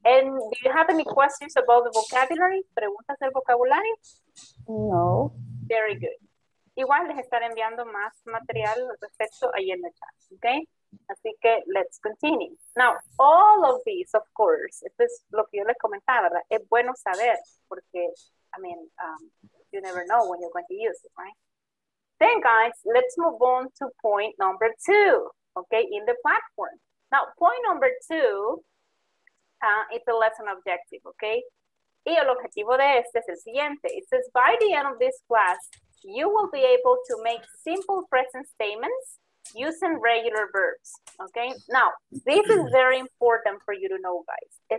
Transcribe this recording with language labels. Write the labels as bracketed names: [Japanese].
[English] And do you have any questions about the vocabulary? [Spanish] ¿Preguntas del vocabulario? No. [English] Very good. [Spanish] Igual les estaré enviando más material respecto ahí en el chat, okay? Así que, [English] let's continue. Now, all of these, of course, [Spanish] esto es lo que yo les comentaba, ¿verdad? Es bueno saber, porque, [English] I mean, you never know when you're going to use it, right? Then, guys, let's move on to point number two, okay, in the platform. Now, point number two is the lesson objective, okay? [Spanish] Y el objetivo de este es el siguiente. [English] It says, by the end of this class, you will be able to make simple present statements using regular verbs. Okay? Now, this is very important for you to know, guys.